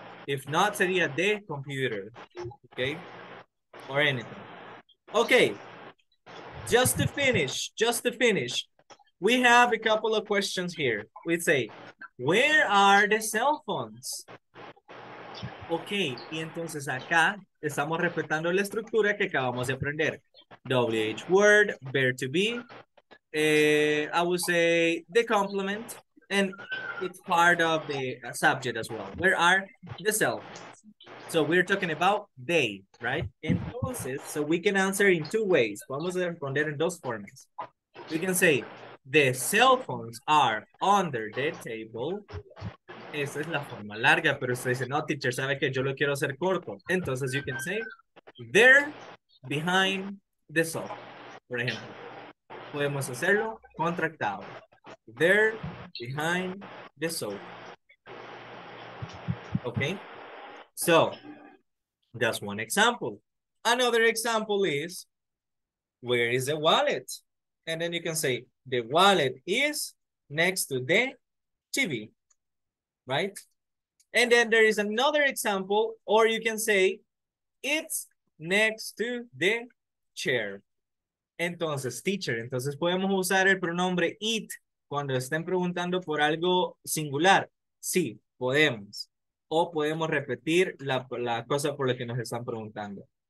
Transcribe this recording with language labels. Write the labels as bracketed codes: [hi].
[en] If not, sería the computer. ¿Ok? Or anything. ¿Ok? Just to finish, we have a couple of questions here. We say, where are the cell phones? [es] Okay, y entonces acá estamos respetando la estructura que acabamos de aprender. [en] WH word, verb to be, I would say the complement, and it's part of the subject as well. Where are the cell phones? So we're talking about they, right? Entonces, so we can answer in two ways. [es] Vamos a responder en dos formas. [en] We can say, the cell phones are under the table. [es] Esa es la forma larga, pero usted dice, no, teacher, sabe que yo lo quiero hacer corto. [en] Entonces, you can say, they're behind the sofa, [es] por ejemplo. Podemos hacerlo contractado. [en] They're behind the sofa. Okay? So, that's one example. Another example is, where is the wallet? And then you can say, the wallet is next to the TV, right? And then there is another example, or you can say, it's next to the chair. [es] Entonces, teacher, entonces podemos usar el pronombre it cuando estén preguntando por algo singular. Sí, podemos. O podemos repetir la cosa por la que nos están preguntando.